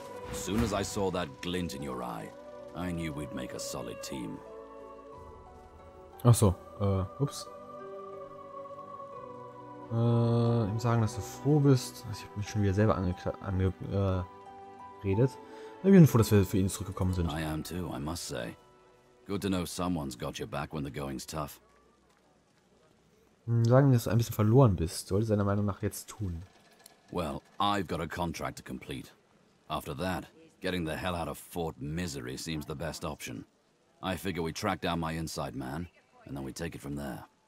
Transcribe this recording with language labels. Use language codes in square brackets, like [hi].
[en] As soon as I saw that glint in your eye, I knew we'd make a solid team. [de] Ach so. Ups. Ihm sagen, dass du froh bist. Ich habe mich schon wieder selber angeredet. Ich bin froh, dass wir für ihn zurückgekommen sind. [en] I am too, I must say. Good to know someone's got your back when the going's tough. [de] Sagen, dass du ein bisschen verloren bist. Sollte seiner Meinung nach jetzt tun. [en] Well, I've got a contract to complete. After that, getting the hell out of Fort Misery seems the best option. I figure we track down my inside man, and then we take it from there.